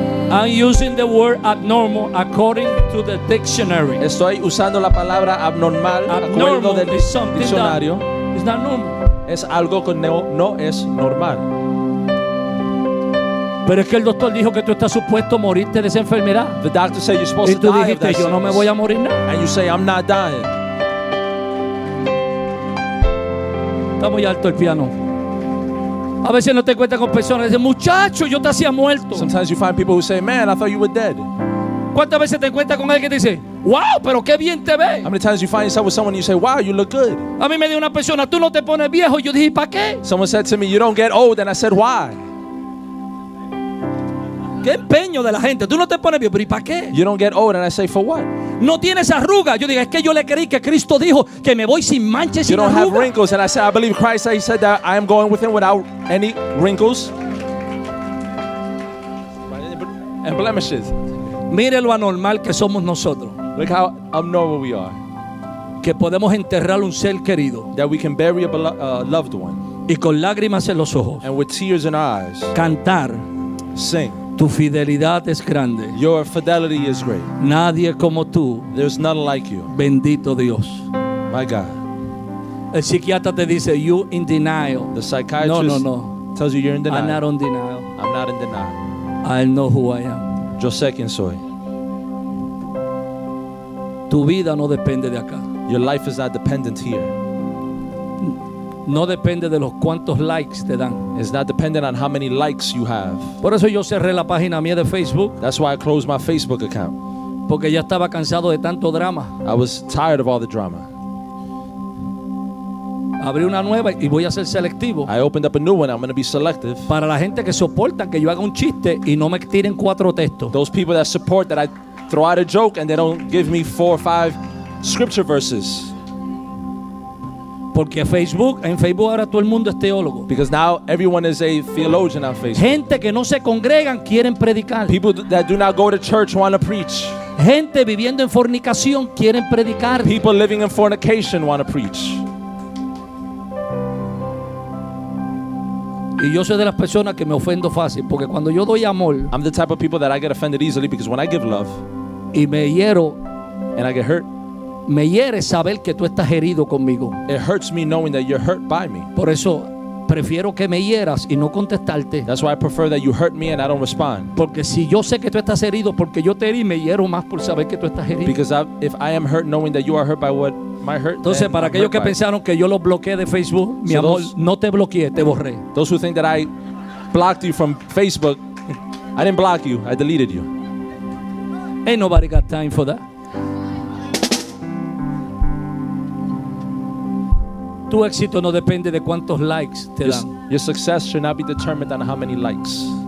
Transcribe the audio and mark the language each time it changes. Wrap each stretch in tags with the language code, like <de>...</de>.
<en>I'm using the word abnormal according to the dictionary.</en> <es>Estoy usando la palabra abnormal acuerdo del diccionario.</es> <en>It's not normal.</en> <es>Es algo que no es normal. Pero es que el doctor dijo que tú estás supuesto a morirte de esa enfermedad.</es> <en>The doctor said you're supposed</en> <es>y tú dijiste yo no me voy a morir nada.</es> <en>And you say I'm not dying.</en> <es>Está muy alto el piano. A veces no te encuentras con personas que dicen, muchacho, yo te hacía muerto.</es> <en>Sometimes you find people who say, man, I thought you were dead.</en> <es>¿Cuántas veces te encuentras con alguien que dice, wow, pero qué bien te ves?</es> <en>How many times you find yourself with someone and you say, wow, you look good.</en> <es>A mí me dijo una persona, tú no te pones viejo. Yo dije, ¿para qué?</es> <en>Someone said to me, you don't get old, and I said, why?</en> <es>¿Qué empeño de la gente? Tú no te pones viejo, pero ¿y para qué?</es> <en>You don't get old, and I say, for what?</en> <es>No tienes arrugas. Yo digo, es que yo le creí que Cristo dijo que me voy sin manchas y sin arrugas.</es> <en>You don't have wrinkles, and I said, I believe Christ said, he said that I am going with him without any wrinkles and blemishes.</en> <es>Mire lo anormal que somos nosotros.</es> <en>Look how abnormal we are.</en> <es>Que podemos enterrar un ser querido.</es> <en>That we can bury a loved one.</en> <es>Y con lágrimas en los ojos.</es> <en>And with tears in our eyes.</en> <es>Cantar.</es> <en>Sing.</en> <es>Tu fidelidad es grande.</es> <en>Your fidelity is great.</en> <es>Nadie como tú.</es> <en>There's none like you.</en> <es>Bendito Dios.</es> <en>My God.</en> <es>El psiquiatra te dice,</es> <en>you in denial. The psychiatrist</en> <es>no.</es> <en>Tells you you're in denial. I'm not in denial. I'm not in denial. I know who I am.</en> <es>Yo sé quién soy. Tu vida no depende de acá.</es> <en>Your life is not dependent here.</en> <es>No depende de los cuantos likes te dan.</es> <en>It's not dependent on how many likes you have.</en> <es>Por eso yo cerré la página mía de Facebook.</es> <en>That's why I closed my Facebook account.</en> <es>Porque ya estaba cansado de tanto drama.</es> <en>I was tired of all the drama.</en> <es>Abrí una nueva y voy a ser selectivo.</es> <en>I opened up a new one. I'm going to be selective.</en> <es>Para la gente que soportan que yo haga un chiste y no me tiren cuatro textos.</es> <en>Those people that support that I throw out a joke and they don't give me four or five scripture verses.</en> <es>Porque Facebook, en Facebook ahora todo el mundo es teólogo.</es> <en>Because now everyone is a theologian on Facebook.</en> <es>Gente que no se congregan quieren predicar.</es> <en>People that do not go to church want to preach.</en> <es>Gente viviendo en fornicación quieren predicar.</es> <en>People living in fornication want to preach.</en> <es>Y yo soy de las personas que me ofendo fácil, porque cuando yo doy amor,</es> <en>I'm the type of people that I get offended easily because when I give love,</en> <es>y me hiero,</es> <en>and I get hurt,</en> <es>me hiere saber que tú estás herido conmigo.</es> <en>It hurts me knowing that you're hurt by me.</en> <es>Por eso prefiero que me hieras y no contestarte.</es> <en>That's why I prefer that you hurt me and I don't respond.</en> <es>Porque si yo sé que tú estás herido, porque yo te herí, me hiero más por saber que tú estás herido.</es> <en>Because if I am hurt knowing that you are hurt by what my hurt.</en> <es>Entonces, para aquellos que pensaron que yo lo bloqueé de Facebook, mi amor, no te bloqueé, te borré.</es> <en>Those who think that I blocked you from Facebook, I didn't block you, I deleted you. Ain't nobody got time for that.</en> <es>Tu éxito no depende de cuántos likes te dan.</es> <en>Your success should not be determined on how many likes.</en>